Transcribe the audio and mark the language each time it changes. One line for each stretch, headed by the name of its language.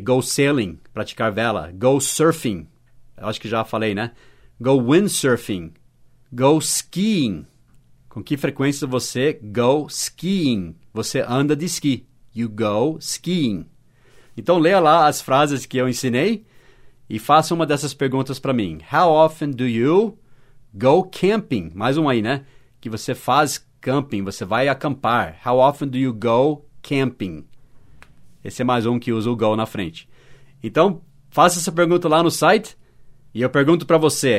English: Go sailing,
Portuguese: praticar vela.
English: Go surfing.
Portuguese: Eu acho que já falei, né?
English: Go windsurfing. Go skiing.
Portuguese: Com que frequência você
English: go skiing?
Portuguese: Você anda de esqui.
English: You go skiing.
Portuguese: Então, leia lá as frases que eu ensinei e faça uma dessas perguntas para mim.
English: How often do you go camping?
Portuguese: Mais um aí, né? Que você faz camping, você vai acampar.
English: How often do you go camping?
Portuguese: Esse é mais um que usa o go na frente. Então, faça essa pergunta lá no site e eu pergunto para você.